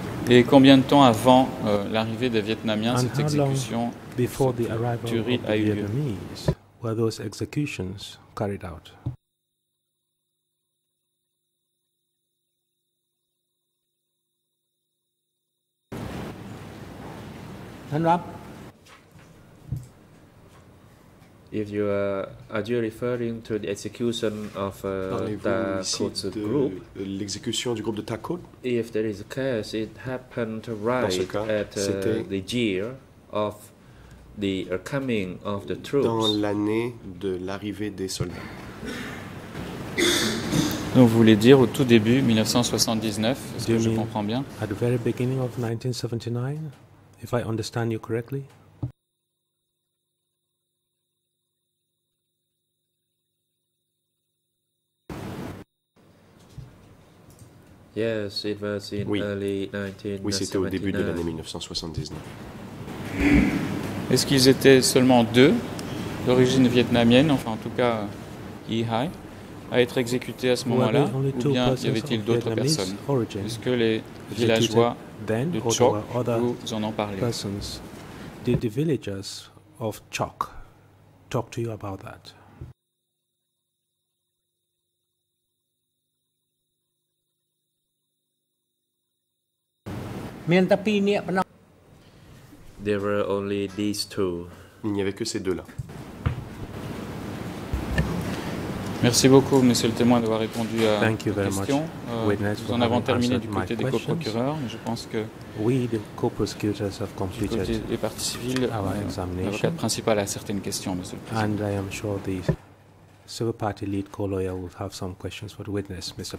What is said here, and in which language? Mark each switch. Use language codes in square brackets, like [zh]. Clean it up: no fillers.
[fr] Et combien de temps avant l'arrivée des Vietnamiens, cette exécution [en] before the arrival of the Vietnamese were those executions carried out? If you are you referring to the execution of Thakot's group? [fr] L'exécution du groupe de Thakot? [en] If there is a case, it happened right at the year of the coming of the troops. [fr] Dans l'année de l'arrivée des soldats. Donc vous voulez dire au tout début 1979, est-ce que je comprends bien? [en] At the very beginning of 1979, if I understand you correctly. Yes, it was in [fr] oui. [en] Early 1979. [fr] Oui, c'était au début de l'année 1979. Est-ce qu'ils étaient seulement deux, d'origine vietnamienne, enfin en tout cas Yi Hai, à être exécutés à ce moment-là, ou bien y avait-il d'autres personnes? Est-ce que les villageois [en] then, [fr] de Chok vous en ont parlé? [en] Persons. Did the villagers of Chok talk to you about that? There were only these two. [fr] Il n'y avait que ces deux-là. Merci beaucoup, monsieur le témoin, d'avoir répondu à la question. Nous en avons terminé du côté des coprocureurs, mais je pense que [en] co-prosecutors have completed [fr] du côté des parties civiles, l'avocat principal a certaines questions, monsieur le président. [en] And I am sure the civil party lead co-lawyer will have some questions for the witness, Mr.